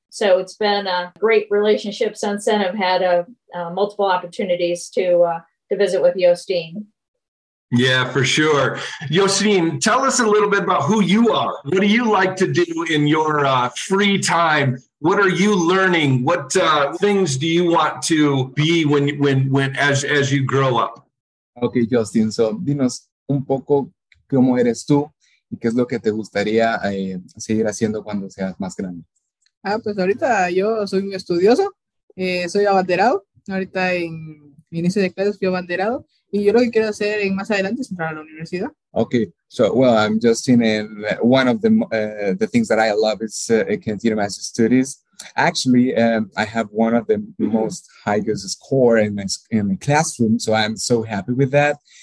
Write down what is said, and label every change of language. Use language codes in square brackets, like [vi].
[en] So it's been a great relationship since then. I've had multiple opportunities to visit with Yostine. Yeah, for sure. Yostine, tell us a little bit about who you are. What do you like to do in your free time? What are you learning? What things do you want to be when you grow up? Okay, Yostine. [es] So, dinos un poco cómo eres tú y qué es lo que te gustaría seguir haciendo cuando seas más grande. Ah, pues ahorita yo soy un estudioso. Soy abanderado. Ahorita en inicio de clases fui abanderado. Y yo lo que quiero hacer en más adelante es entrar a la universidad. [en] Okay, so well, I'm just in one of the things that I love is continue my studies. Actually, I have one of the most highest score in my classroom, so I'm so happy with that.